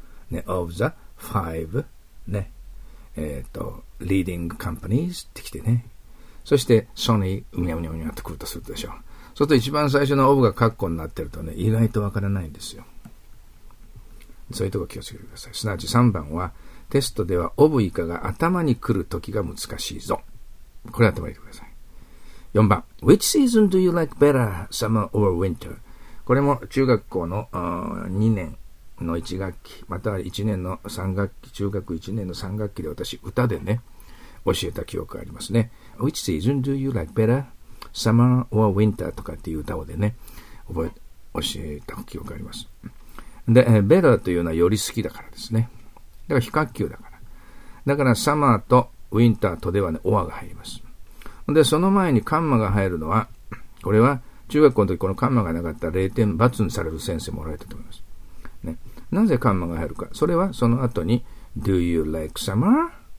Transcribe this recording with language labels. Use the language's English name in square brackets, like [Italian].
[Japanese] ね、 [English] of the five ね、leading companies [Japanese] って来てね、そしてソニーうにゃうにゃうにゃって来るとするでしょう。そうすると一番最初のオブが括弧になってるとね、意外とわからないんですよ。そういうとこ気をつけてください。すなわち3番はテストではオブ以下が頭に来る時が難しいぞ。これ頭に入れてください。 [English] 4番、Which season do you like better, summer or winter? [Japanese] これも中学校の2年の1学期、または1年の3学期、中学1年の3学期で私、歌でね、教えた記憶がありますね。 [English] Which season do you like better, summer or winter? [Japanese] とかっていう歌をでね、教えた記憶があります。で、better というのはより好きだからですね。だから、比較級だから。だから、summer と winter とではね、or が入ります。でその前にカンマが入るのは、これは中学校の時このカンマがなかったら0点×にされる先生もおられたと思います、ね、なぜカンマが入るか、それはその後に [English] Do you like summer?